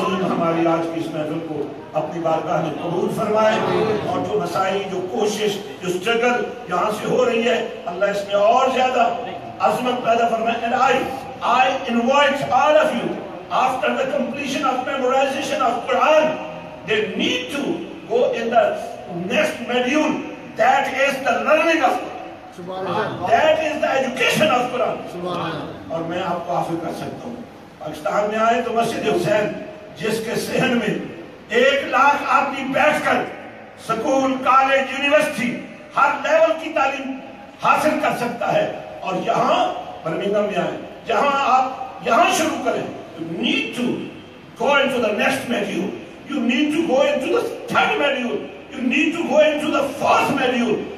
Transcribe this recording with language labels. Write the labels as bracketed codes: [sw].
[ur] ہماری آج کی اس محفل کو اپنی بارگاہ میں قبول فرمائے, اور جو مسائل, جو کوشش, جو اسٹرگل یہاں سے ہو رہی ہے اللہ اس میں اور زیادہ عظمت پیدا فرمائے. [en] And I invite all of you after the completion of memorization of Quran they need to go in the next module that is the learning of Quran. That is the education of Quran. [ur] اور میں آپ کو offer کر سکتا ہوں پاکستان میں آئے تو مسجد حسین جس کے سہن میں 1,00,000 آدمی بیٹھ کر سکول, کالج, یونیورسٹی ہر لیول کی تعلیم حاصل کر سکتا ہے, اور یہاں برمنگھم میں آئے جہاں آپ یہاں شروع کریں [en] Need to go into the next module, you need to go into the third module, you need to go into the fourth module.